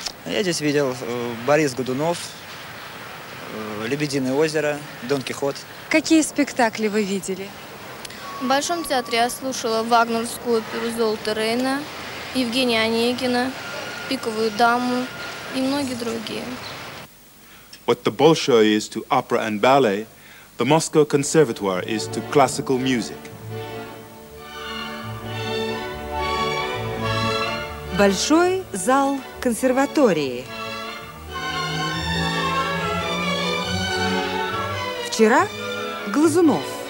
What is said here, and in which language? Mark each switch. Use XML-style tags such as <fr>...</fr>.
<ru>Я здесь видел «Борис Годунов», «Лебединое озеро», «Дон Кихот». Какие спектакли вы видели? В Большом театре я слушала вагнерскую оперу «Золото Рейна», «Евгения Онегина», «Пиковую даму» и многие другие.</ru> <en>What the Bolshoi is to opera and ballet, the Moscow Conservatoire is to classical music.</en> <ru>Большой зал консерватории. Вчера Глазунов.</ru>